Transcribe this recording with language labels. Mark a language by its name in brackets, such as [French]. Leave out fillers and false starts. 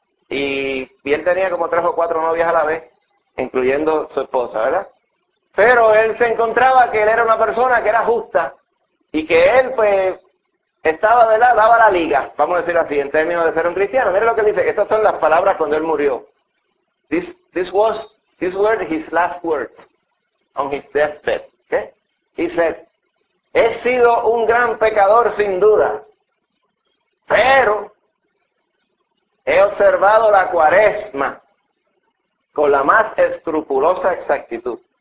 [Spanish] Y él tenía como 3 o 4 novias a la vez, incluyendo su esposa, ¿verdad? Pero él se encontraba que él era una persona que era justa, y que él, pues, estaba, ¿verdad?, daba la liga, vamos a decir así, en términos de ser un cristiano. Mira lo que dice, estas son las palabras cuando él murió. [English] This word is his last word on his deathbed. [Spanish] ¿Qué? [English] He said, [Spanish] he sido un gran pecador sin duda, pero he observado la cuaresma con la más escrupulosa exactitud.